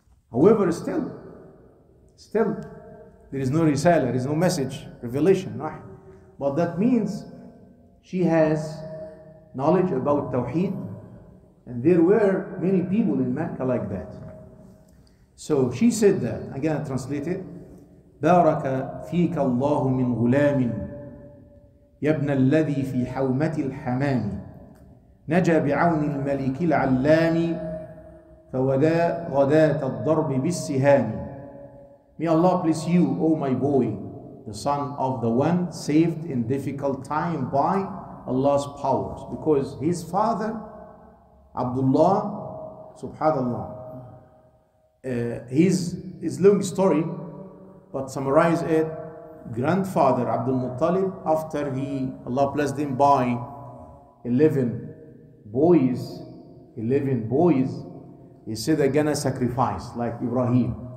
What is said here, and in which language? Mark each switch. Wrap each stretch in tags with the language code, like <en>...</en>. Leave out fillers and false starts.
<en>However, still, there is no risala, there is no message, revelation. Nah. But that means she has knowledge about Tawheed, and there were many people in Mecca like that. So she said that, I'm going to translate it.</en> <ar>بَارَكَ فِيكَ اللَّهُ مِنْ غُلَامٍ يَبْنَ الَّذِي فِي حَوْمَةِ الْحَمَامِ نجا بعون الملك العلام فودا غداة الضرب بالسهام.</ar> <en>May Allah bless you, O my boy, the son of the one saved in difficult time by Allah's powers. Because his father, Abdullah, subhanAllah, his long story, but summarize it, grandfather Abdul Muttalib, after he, Allah blessed him by 11 boys, he said they're gonna sacrifice like Ibrahim.</en>